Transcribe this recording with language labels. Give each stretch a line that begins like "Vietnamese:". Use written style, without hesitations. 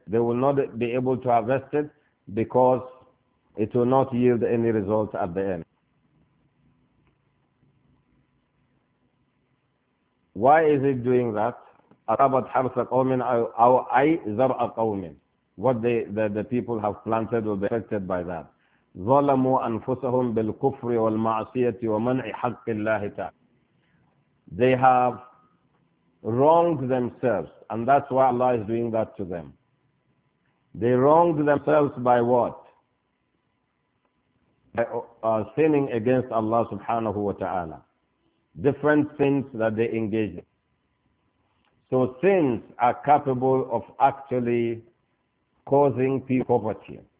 English: They will not be able to harvest it because it will not yield any result at the end. Why is it doing that?
Arabic: Asabat harsa qawmin aw ay zar'a qawmin.
English: What the people have planted will be affected by that.
Arabic: ظلموا أنفسهم بالكفر والمعصية ومنع حق الله تعالى.
English: They have wronged themselves, and that's why Allah is doing that to them. They wronged themselves by what? By sinning against Allah subhanahu wa ta'ala. Different sins that they engage in. So sins are capable of actually causing people poverty.